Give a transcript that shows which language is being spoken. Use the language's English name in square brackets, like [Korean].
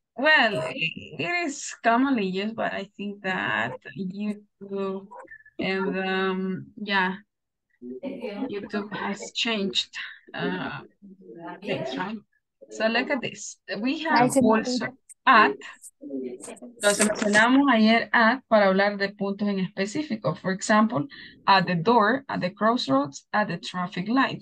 [English] Well, it is commonly used, but I think that YouTube and yeah, YouTube has changed things, right? So look at this. We have also at. [Spanish] Entonces mencionamos ayer at para hablar de puntos en específico. [English] For example, at the door, at the crossroads, at the traffic light.